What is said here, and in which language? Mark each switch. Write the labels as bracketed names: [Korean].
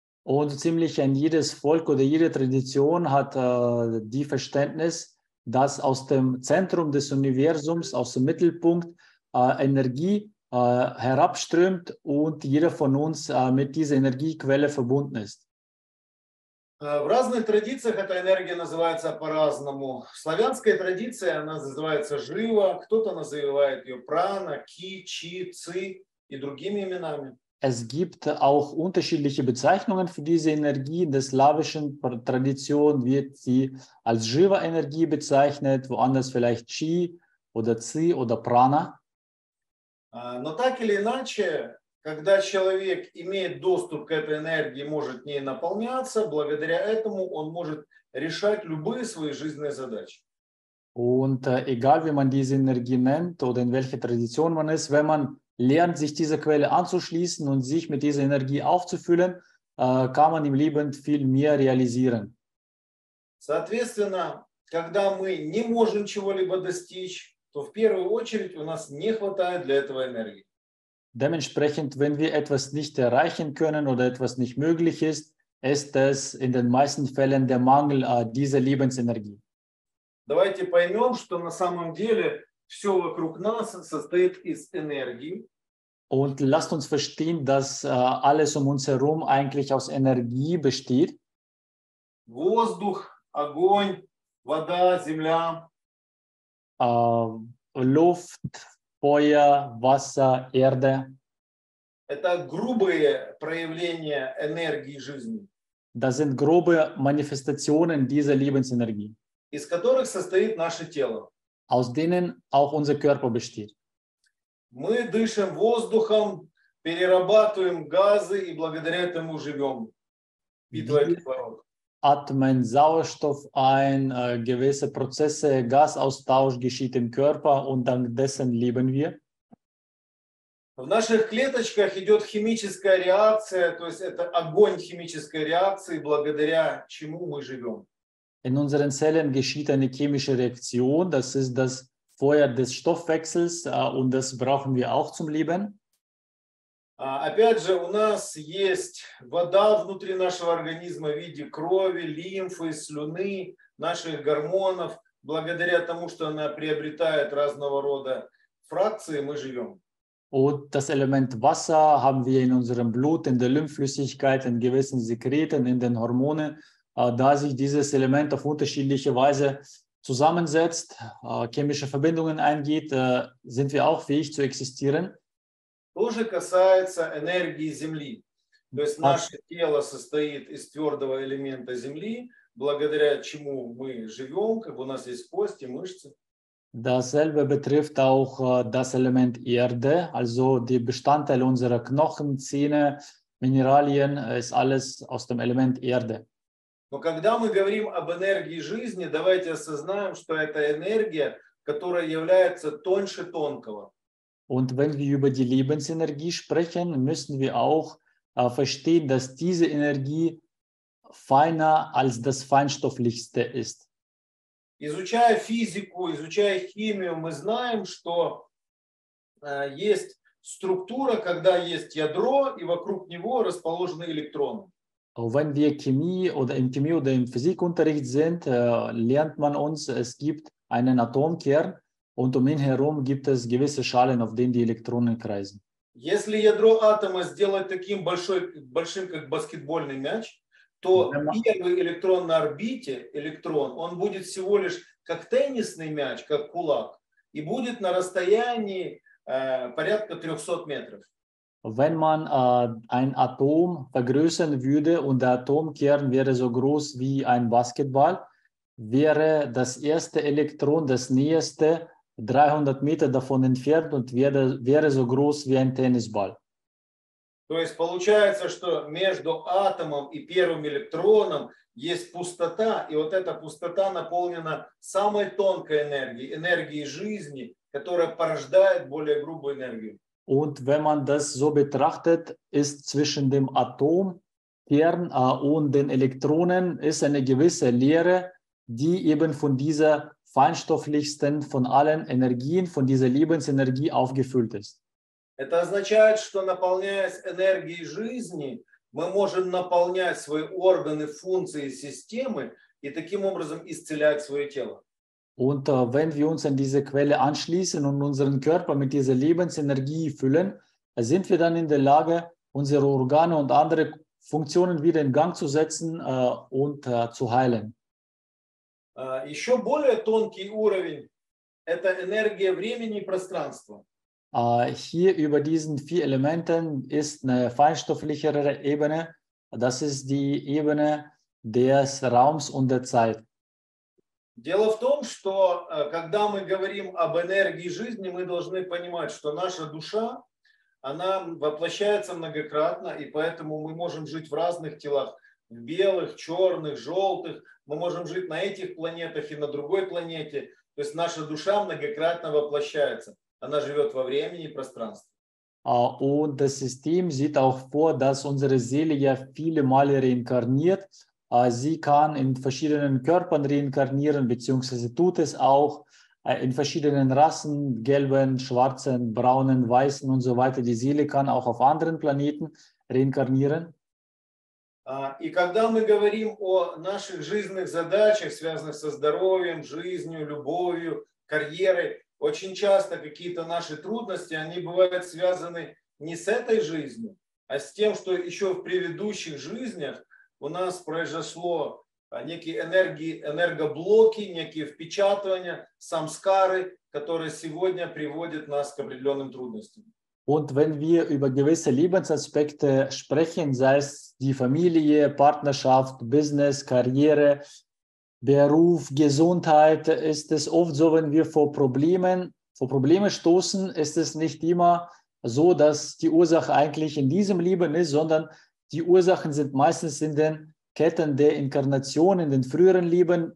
[German] Und ziemlich an jedes Volk oder jede Tradition hat die Verständnis, dass aus dem Zentrum des Universums, aus dem Mittelpunkt, Energie herabströmt und jeder von uns mit dieser Energiequelle verbunden ist. [Russian] В разных традициях эта энергия называется по-разному. В славянской традиции она называется жива, кто-то называет ее прана, ки, чи, ци и другими именами. [German] Es gibt auch unterschiedliche Bezeichnungen für diese Energie. In der slawischen Tradition wird sie als Shiva-Energie bezeichnet, woanders vielleicht Chi oder Zi oder Prana. [Russian] Но так или иначе, когда человек имеет доступ к этой энергии, может ней наполняться, благодаря этому он может решать любые свои жизненные задачи. [German] Und egal, wie man diese Energie nennt oder in welcher Tradition man ist, wenn man lernt, sich dieser Quelle anzuschließen und sich mit dieser Energie aufzufüllen, kann man im Leben viel mehr realisieren. [Russian] Соответственно, когда мы не можем чего-либо достичь, то в первую очередь у нас не хватает для этого энергии. [German] Dementsprechend, wenn wir etwas nicht erreichen können oder etwas nicht möglich ist, ist es in den meisten Fällen der Mangel dieser Lebensenergie. [Russian] Давайте поймем, что на самом деле все вокруг нас состоит из энергии. [German] Und lasst uns verstehen, dass alles um uns herum eigentlich aus Energie besteht. [Russian] Воздух, огонь, вода, земля. [German] Luft, Feuer, Wasser, Erde. [Russian] Это грубые проявления энергии жизни. [German] Das sind grobe Manifestationen dieser Lebensenergie. [Russian] Из которых состоит наше тело. [German] Aus denen auch unser Körper besteht. [Russian] Мы дышим воздухом, перерабатываем газы и благодаря этому живем. [German] Atmen Sauerstoff ein, gewisse Prozesse, Gasaustausch geschieht im Körper und dank dessen leben wir. [Russian] В наших клеточках идет химическая реакция, то есть это огонь химической реакции, благодаря чему мы живем. [German] In unseren Zellen geschieht eine chemische Reaktion, das ist das Feuer des Stoffwechsels und das brauchen wir auch zum Leben. [Russian] Опять же, у нас есть вода внутри нашего организма в виде крови, лимфы, слюны, наших гормонов. Благодаря тому, что она приобретает разного рода фракции, мы живем. [German] Und das Element Wasser haben wir in unserem Blut, in der Lymphflüssigkeit, in gewissen Sekreten, in den Hormonen. Da sich dieses Element auf unterschiedliche Weise zusammensetzt, chemische Verbindungen eingeht, sind wir auch fähig zu existieren. [Russian] Тоже касается энергии Земли. То есть наше тело состоит из твердого элемента Земли, благодаря чему мы живем, как у нас есть кости, мышцы. [German] Dasselbe betrifft auch das Element Erde, also die Bestandteile unserer Knochen, Zähne, Mineralien, ist alles aus dem Element Erde. [Russian] Но когда мы говорим об энергии жизни, давайте осознаем, что это энергия, которая является тоньше тонкого. [German] Und wenn wir über die Lebensenergie sprechen, müssen wir auch verstehen, dass diese Energie feiner als das feinstofflichste ist. [Russian] Изучая физику, изучая химию, мы знаем, что есть структура, когда есть ядро, и вокруг него расположены электроны. [German] Wenn wir Chemie oder im Physikunterricht sind, lernt man uns, es gibt einen Atomkern. Und um ihn herum gibt es gewisse Schalen, auf denen die Elektronen kreisen. [Russian] Если ядро атома сделать таким большим, как баскетбольный мяч, то первый электрон на орбите, электрон, он будет всего лишь как теннисный мяч, как кулак, и будет на расстоянии порядка 300 метров. [German] Wenn man ein Atom vergrößern würde und der Atomkern wäre so groß wie ein Basketball, wäre das erste Elektron das nächste 300 Meter davon entfernt und wäre so groß wie ein Tennisball. [Russian] То есть получается, что между атомом и первым электроном есть пустота, и вот эта пустота наполнена самой тонкой энергией, энергией жизни, которая порождает более грубую энергию. [German] Und wenn man das so betrachtet, ist zwischen dem Atomkern und den Elektronen ist eine gewisse Leere, die eben von dieser feinstofflichsten von allen Energien, von dieser Lebensenergie aufgefüllt ist. [Russian] Это означает, что наполняясь энергией жизни, мы можем наполнять свои органы, функции, системы и таким образом исцелять свое тело. [German] Und wenn wir uns an diese Quelle anschließen und unseren Körper mit dieser Lebensenergie füllen, sind wir dann in der Lage, unsere Organe und andere Funktionen wieder in Gang zu setzen und zu heilen. [Russian] Еще более тонкий уровень – это энергия времени и пространства. [German] Hier über diesen vier Elementen ist eine feinstofflichere Ebene. Das ist die Ebene des Raums und der Zeit. [Russian] Дело в том, что когда мы говорим об энергии жизни, мы должны понимать, что наша душа, она воплощается многократно, и поэтому мы можем жить в разных телах, в белых, черных, желтых, мы можем жить на этих планетах и на другой планете. То есть наша душа многократно воплощается. Она живет во времени и пространстве. [German] Und das System sieht auch vor, dass unsere Seele ja viele Male reinkarniert. Sie kann in verschiedenen Körpern reinkarnieren, beziehungsweise tut es auch in verschiedenen Rassen, gelben, schwarzen, braunen, weißen und so weiter. Die Seele kann auch auf anderen Planeten reinkarnieren. [Russian] И когда мы говорим о наших жизненных задачах, связанных со здоровьем, жизнью, любовью, карьерой, очень часто какие-то наши трудности, они бывают связаны не с этой жизнью, а с тем, что еще в предыдущих жизнях у нас произошло некие энергии, энергоблоки, некие впечатывания, самскары, которые сегодня приводят нас к определенным трудностям. [German] Und wenn wir über gewisse Lebensaspekte sprechen, sei es die Familie, Partnerschaft, Business, Karriere, Beruf, Gesundheit, ist es oft so, wenn wir vor Probleme stoßen, ist es nicht immer so, dass die Ursache eigentlich in diesem Leben ist, sondern die Ursachen sind meistens in den Ketten der Inkarnation, in den früheren Leben.